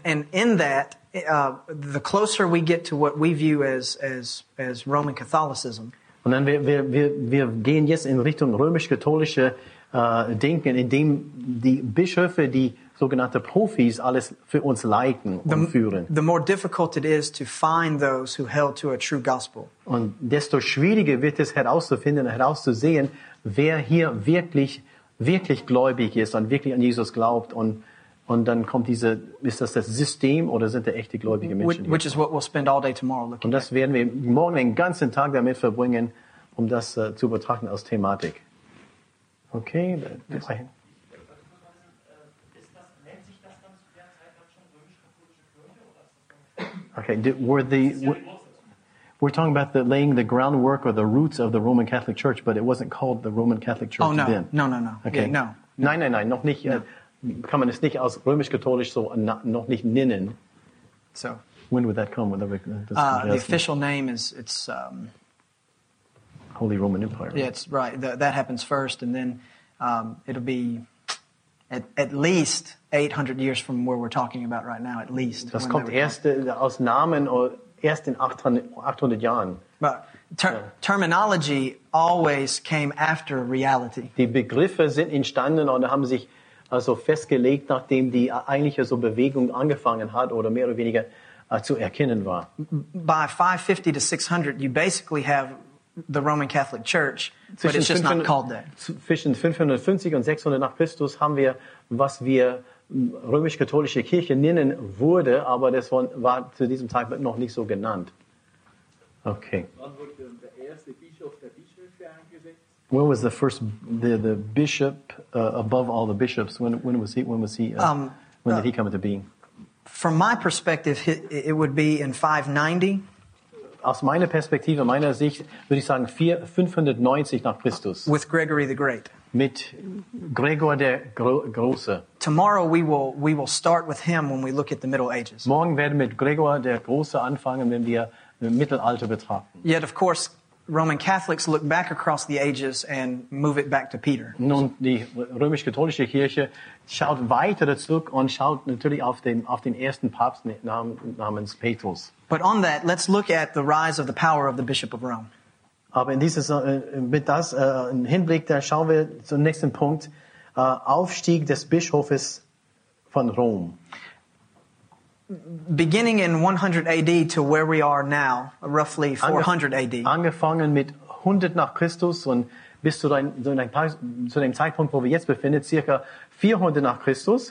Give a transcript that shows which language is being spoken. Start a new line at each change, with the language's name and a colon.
English: And in that, the closer we get to what we view as Roman Catholicism.
German: Und dann wir gehen jetzt in Richtung römisch-katholische Denken, in dem die Bischöfe, die sogenannte Profis, alles für uns leiten und führen.
English: The more difficult it is to find those who held to a true gospel.
German: Und desto schwieriger wird es herauszufinden, herauszusehen, wer hier wirklich gläubig ist und wirklich an Jesus glaubt und Und dann kommt diese, ist das das System oder sind der echte gläubige Menschen?
English: Which is what we'll spend all day tomorrow looking.
German: Und das werden wir morgen den ganzen Tag damit verbringen, um das zu betrachten als Thematik.
English: Okay, yes. Da, okay, we're talking about the laying the groundwork or the roots of the Roman Catholic Church, but it wasn't called the Roman Catholic Church then. Oh, no. Okay. Yeah, no.
German: Nein, noch nicht. No. Kann man es nicht als römisch-katholisch so noch nicht nennen.
English: So. When would that come? Would that be, the official name is, it's... Holy Roman Empire. Yeah, it's right. That happens first, and then it'll be... At least 800 years from where we're talking about right now, at least.
German: Das kommt erst aus Namen erst in 800 Jahren.
English: But terminology always came after reality.
German: Die Begriffe sind entstanden und haben sich also festgelegt, nachdem die eigentliche so Bewegung angefangen hat oder mehr oder weniger zu erkennen war.
English: By 550 to 600, you basically have the Roman Catholic Church,
German: zwischen
English: but it's just 500, not called that.
German: Zwischen 550 und 600 nach Christus haben wir, was wir römisch-katholische Kirche nennen wurde, aber das war zu diesem Zeitpunkt noch nicht so genannt.
English: Okay.
German: Wann wurde der erste Bischof der Bischöfe eingesetzt?
English: When was the first the bishop above all the bishops? When did he come into being? From my perspective, it would be in 590.
German: Aus meiner Perspektive, meiner Sicht, würde ich sagen 590 nach Christus.
English: With Gregory the Great.
German: Mit Gregor der Große.
English: Tomorrow we will start with him when we look at the Middle Ages.
German: Morgen werden wir mit Gregor der Große anfangen, wenn wir Mittelalter betrachten.
English: Yet of course Roman Catholics look back across the ages and move it back to Peter.
German: Nun, die römisch-katholische Kirche schaut weiter zurück und schaut natürlich auf den ersten Papst namens Petrus.
English: But on that, let's look at the rise of the power of the Bishop of Rome.
German: Aber in dieses mit das Hinblick, da schauen wir zum nächsten Punkt, Aufstieg des Bischofes von Rom.
English: Beginning in 100 AD to where we are now, roughly 400 AD.
German: Angefangen mit 100 nach Christus und bis zu dem Zeitpunkt, wo wir jetzt befinden, circa 400 nach Christus.